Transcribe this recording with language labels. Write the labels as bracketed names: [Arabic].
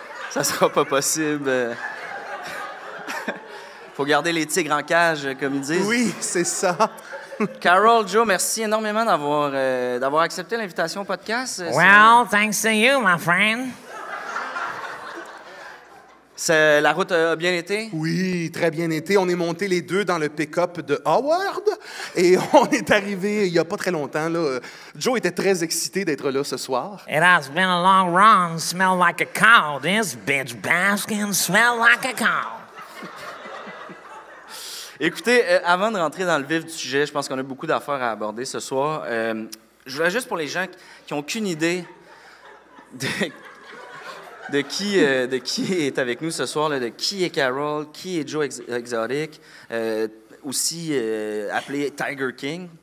[French] Ça sera pas possible. Faut garder les tigres en cage, comme ils disent. Oui, c'est ça. Carol, Joe, merci énormément d'avoir accepté l'invitation au podcast. [English] Well, thanks to you, my friend. [French] La route a bien été? Oui, très bien été. On est montés les deux dans le pick-up de Howard et on est arrivés il n'y a pas très longtemps. Là. Joe était très excité d'être là ce soir. [English] It has been a long run. Smell like a cow. This bitch Baskin smell like a cow. [French] Écoutez, avant de rentrer dans le vif du sujet, je pense qu'on a beaucoup d'affaires à aborder ce soir. Je voudrais juste pour les gens qui n'ont aucune idée de qui est avec nous ce soir, là, de qui est Carole, qui est Joe Exotic, aussi appelé Tiger King.